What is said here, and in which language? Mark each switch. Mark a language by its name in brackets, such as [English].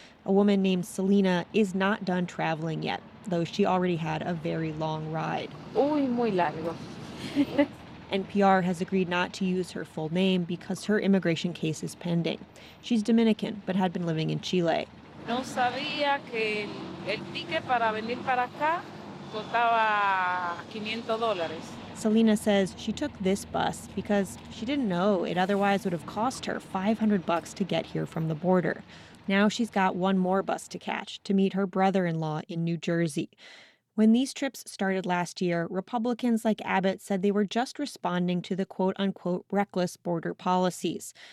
[English] A woman named Selena is not done traveling yet, though she already had a very long ride. [Spanish] Uy, muy largo. [English] NPR has agreed not to use her full name because her immigration case is pending. She's Dominican, but had been living in Chile. [Spanish] No sabía que el ticket para venir para acá costaba $500. [English] Selena says she took this bus because she didn't know it otherwise would have cost her $500 to get here from the border. Now she's got one more bus to catch to meet her brother-in-law in New Jersey. When these trips started last year, Republicans like Abbott said they were just responding to the quote-unquote reckless border policies.